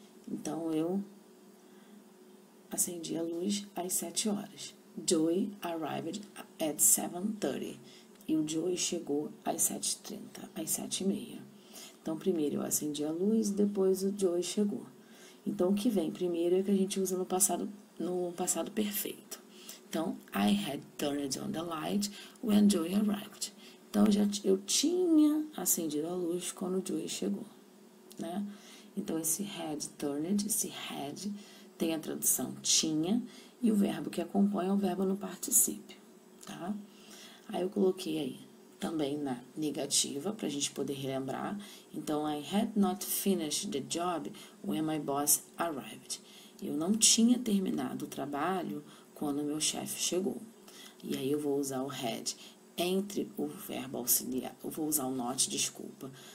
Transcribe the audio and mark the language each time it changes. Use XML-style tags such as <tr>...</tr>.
<pt>Então, eu acendi a luz às 7 horas.</pt> <en>Joey arrived at 7:30.</en> <pt>E o Joey chegou às 7:30, às 7:30. Então, primeiro eu acendi a luz, depois o Joey chegou. Então, o que vem primeiro é que a gente usa no passado perfeito.</pt> <en>Então, I had turned on the light when Joey arrived.</en> <pt>Então, eu tinha acendido a luz quando o Joey chegou, né? Então, esse had turned, esse had, tem a tradução tinha e o verbo que acompanha é o verbo no particípio, tá? Aí eu coloquei aí também na negativa, para a gente poder relembrar.</pt> <en>Então, I had not finished the job when my boss arrived.</en> <pt>Eu não tinha terminado o trabalho quando meu chefe chegou. E aí eu vou usar o had entre o verbo auxiliar. Eu vou usar o not, desculpa.</pt>